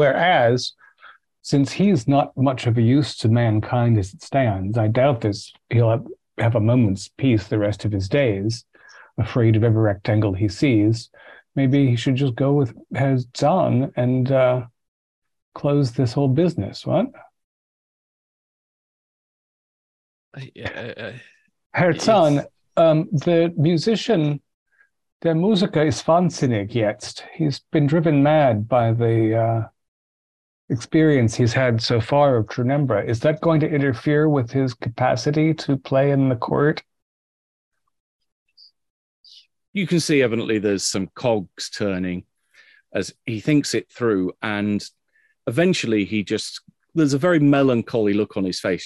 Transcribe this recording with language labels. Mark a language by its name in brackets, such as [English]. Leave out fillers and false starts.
[English] Whereas, since he's not much of a use to mankind as it stands, I doubt this. He'll have a moment's peace the rest of his days, afraid of every rectangle he sees. Maybe he should just go with his Zahn and close this whole business. What? [German] Herr Zahn, [English] the musician, [German] der Musiker ist wahnsinnig jetzt. [English] He's been driven mad by the experience he's had so far of Trunembra. Is that going to interfere with his capacity to play in the court? You can see evidently there's some cogs turning as he thinks it through, and eventually there's a very melancholy look on his face.